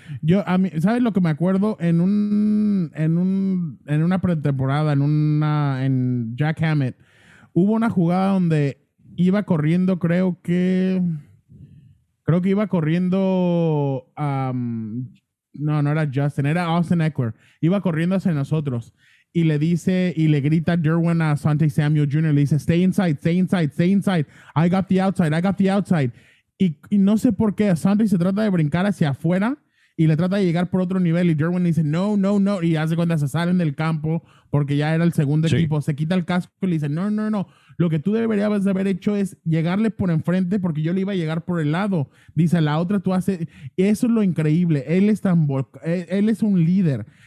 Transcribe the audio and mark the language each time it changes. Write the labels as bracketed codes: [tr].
[es] Yo, a mí, ¿sabes lo que me acuerdo? En una pretemporada, en Jack Hammett, hubo una jugada donde iba corriendo, creo que iba corriendo, no era Justin, era Austin Eckler. Iba corriendo hacia nosotros y le dice y le grita Derwin a Asante Samuel Jr. Le dice, [en] stay inside, I got the outside. [es] Y no sé por qué Asante se trata de brincar hacia afuera y le trata de llegar por otro nivel y Derwin dice, no, y hace cuenta se salen del campo porque ya era el segundo equipo, se quita el casco y le dice, no, lo que tú deberías haber hecho es llegarle por enfrente porque yo le iba a llegar por el lado, dice la otra, tú haces, eso es lo increíble, él es un líder.